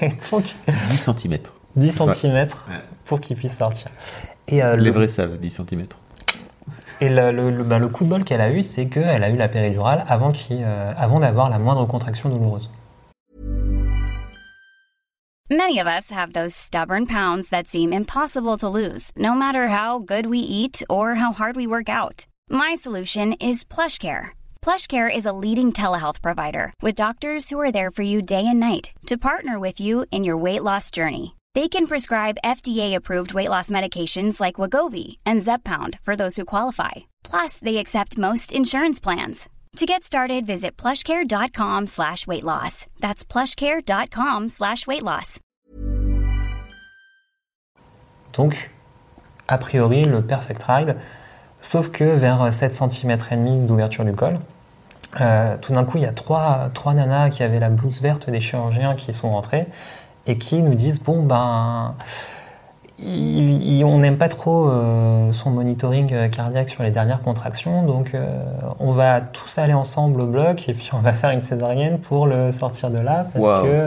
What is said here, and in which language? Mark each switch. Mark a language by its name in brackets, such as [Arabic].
[French] Donc 10 cm 10 cm ouais. Pour qu'il puisse sortir. Et les vrais savent, 10 cm. Et le coup de bol qu'elle a eu, c'est qu'elle a eu la péridurale avant d'avoir la moindre contraction douloureuse. [English] Many of us have those stubborn pounds that seem impossible to lose, no matter how good we eat or how hard we work out. My solution is PlushCare. PlushCare is a leading telehealth provider with doctors who are there for you day and night to partner with you in your weight loss journey. They can prescribe FDA-approved weight loss medications like Wegovy and Zepbound for those who qualify. Plus, they accept most insurance plans. To get started, visit plushcare.com/weightloss. That's plushcare.com/weightloss. [French] Donc, a priori, le perfect ride, sauf que vers 7,5 cm d'ouverture du col, tout d'un coup, il y a trois nanas qui avaient la blouse verte des chirurgiens qui sont rentrées et qui nous disent « Bon, ben, on n'aime pas trop son monitoring cardiaque sur les dernières contractions, donc on va tous aller ensemble au bloc et puis on va faire une césarienne pour le sortir de là parce, wow.